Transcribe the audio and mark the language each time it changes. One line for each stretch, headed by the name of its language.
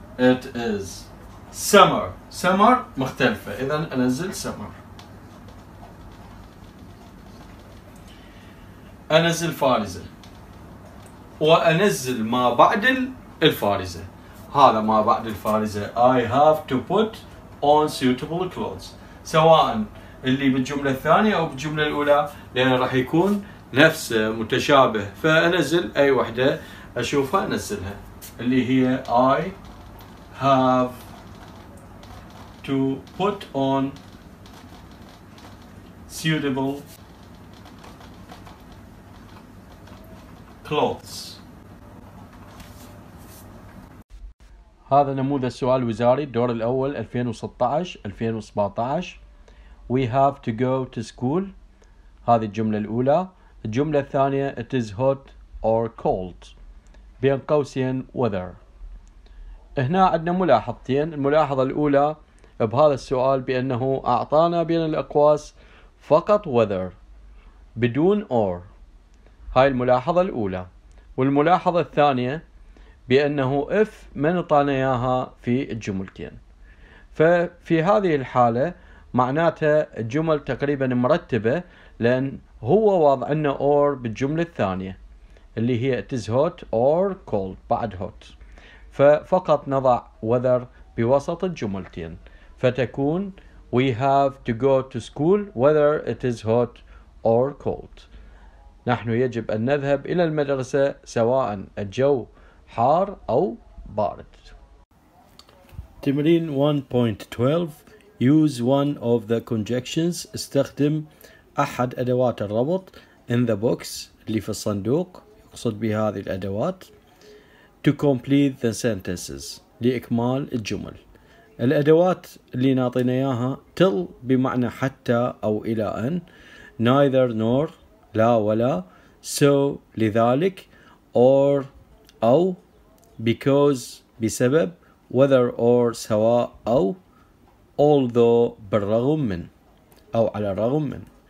English: It is summer. Summer
Arabic: مختلفة. إذا أنزل summer. أنزل فارزة وأنزل ما بعد الفارزة. هذا ما بعد الفارزة.
English: I have to put on suitable clothes.
Arabic: سواء اللي بالجملة الثانية أو بالجملة الأولى لأن راح يكون نفسه متشابه. فأنزل أي واحدة أشوفها أنزلها اللي هي
English: I have to put on suitable clothes.
Arabic: هذا نموذج سؤال وزاري الدور الأول 2016-2017.
English: We have to go to school.
Arabic: هذه الجملة الأولى.
English: الجملة الثانية It is hot or cold.
Arabic: بين قوسين weather. هنا عندنا ملاحظتين. الملاحظة الأولى بهذا السؤال بأنه أعطانا بين الأقواس فقط weather بدون or. هاي الملاحظة الأولى. والملاحظة الثانية بأنه if من طانا إياها في الجملتين. ففي هذه الحالة معناتها الجمل تقريبا مرتبة لأن هو وضع لنا or بالجملة الثانية اللي هي
English: it is hot or cold
Arabic: بعد hot. ففقط نضع
English: weather
Arabic: بوسط الجملتين فتكون
English: we have to go to school whether it is hot or cold.
Arabic: نحن يجب أن نذهب إلى المدرسة سواء الجو حار أو بارد. تمرين
English: 1.12 Use one of the conjunctions.
Arabic: استخدم أحد أدوات الربط
English: in the box
Arabic: اللي في الصندوق يقصد بهذه الأدوات
English: to complete the sentences
Arabic: لإكمال الجمل. الأدوات اللي نعطينا إياها till بمعنى حتى أو إلى أن neither nor لا ولا so لذلك or أو because بسبب whether or سواء أو although بالرغم من أو على الرغم من.